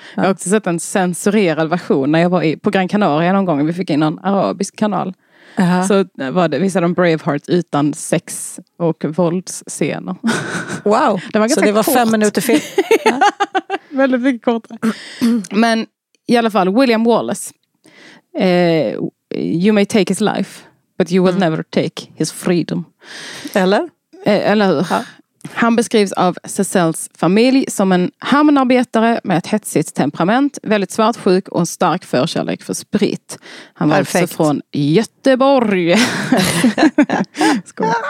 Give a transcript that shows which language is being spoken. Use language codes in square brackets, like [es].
[sv] Jag har också sett en censurerad version när jag var på Gran Canaria någon gång. Vi fick in någon arabisk kanal. Uh-huh. Så var det, visade de Braveheart utan sex- och våldsscener. Wow, det var ganska så det var kort. 5 minuter film. Väldigt mycket kortare. Men i alla fall, William Wallace. [en] You may take his life, but you will never take his freedom. [sv] Eller? Eller hur? Ja. Han beskrivs av Cecils familj som en hamnarbetare med ett hetsigt temperament, väldigt svartsjuk och en stark förkärlek för sprit. Han var perfekt. Alltså från Göteborg. Skål.